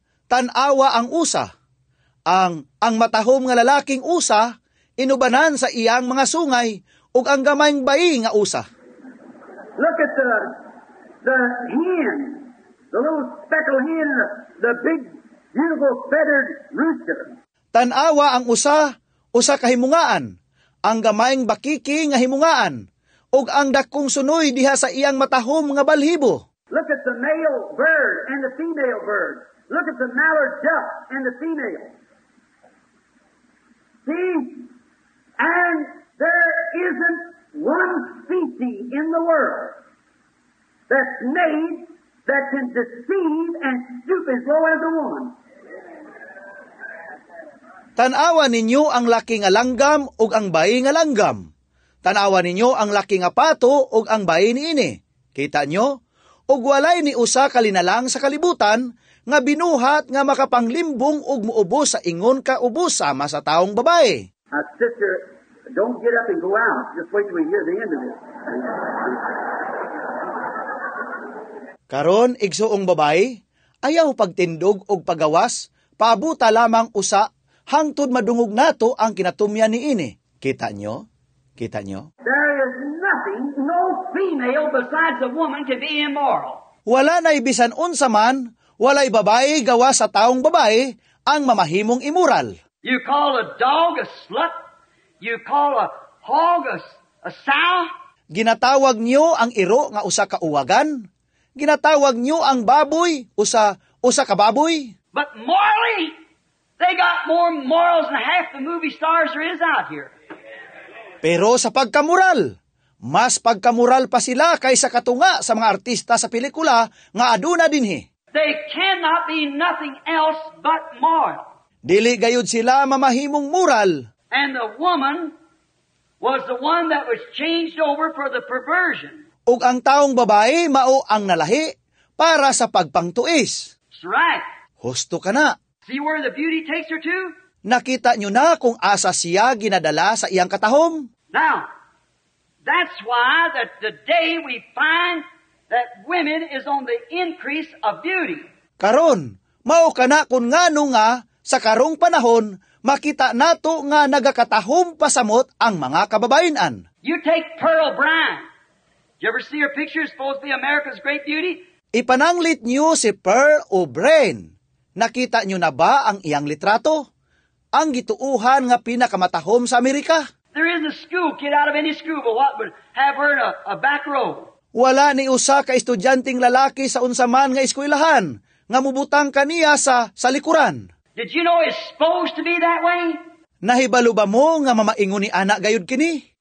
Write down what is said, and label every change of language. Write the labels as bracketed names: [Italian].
[Cebuano] Tanawa ang usa, ang matahom nga lalaking usa inubanan sa iyang mga sungay ug ang gamayng bayi nga usa. [English] Look at the hen, the little speckled hen, the big beautiful feathered rooster. [Cebuano] Tanawa ang usa kahimungaan, ang gamayng bakiki nga himungaan, ug ang dakong sunoy diha sa iyang matahom nga balhibo. [English] Look at the male bird and the female bird. Look at the mallard duck and the female. See? And there isn't one species in the world that's made that can deceive and stoop as low as a woman. [Cebuano] Tanawa ninyo ang laki nga langgam ug ang bayi nga langgam. Tanawa ninyo ang laki nga pato ug ang bayi niini. Kita nyo? Ug walay ni usa kalinalang sa kalibutan nga binuhat nga makapanglimbong ug muubos sa ingon ka ubos sama sa taong babae. [English] Sister, don't get up and go out. Just wait till we hear the end of it. [Cebuano] Karon, igsoong babae, ayaw pagtindog ug pagawas, paabuta lamang usa hangtod madungog nato ang kinatumyan ni ini. Kita nyo? Kita nyo? [English] There is nothing, no female besides a woman to be immoral. [Cebuano] Wala na'y bisan unsa man, wala'y babae gawa sa taong babae ang mamahimong immoral. [English] You call a dog a slut? You call a hog a sow? [Cebuano] Ginatawag nyo ang iro nga usa ka uwagan? Ginatawag nyo ang baboy usa ka baboy? [English] But morally, they got more morals than half the movie stars there is out here. [Cebuano] Pero sa pagkamoral, mas pagkamoral pa sila kaysa katunga sa mga artista sa pelikula nga aduna dinhi. [English] They cannot be nothing else but moral. [Cebuano] Dili gayud sila mamahimong moral. [English] And the woman was the one that was changed over for the perversion. [Cebuano] Ug ang taong babae mao ang nalahi para sa pagpangtuis. [English] That's right. [Cebuano] Husto ka na. [English] See where the beauty takes her to? [Cebuano] Nakita nyo na kung asa siya ginadala sa iyang katahom? [English] Now, that's why that today we find that women is on the increase of beauty. [Cebuano] Karon, mao ka na kung ngano nga sa karong panahon makita nato nga nagakatahom pasamot ang mga kababayenan. [English] You take Pearl Brown. Did you ever see her picture? Supposed to be America's great beauty? [Cebuano] Ipananglit niyo si Pearl O'Brien. Nakita nyo na ba ang iyang litrato? Ang gituuhan nga pinakamatahom sa Amerika? [English] There is a school kid out of any school but what would have her in a back row? [Cebuano] Wala ni usa ka estudyanteng lalaki sa unsaman nga eskwelahan nga mubutang kaniya sa likuran. [English] Did you know it's supposed to be that way? [Cebuano] Nahibalo ba mo nga mamaingon ni anak gayud kini?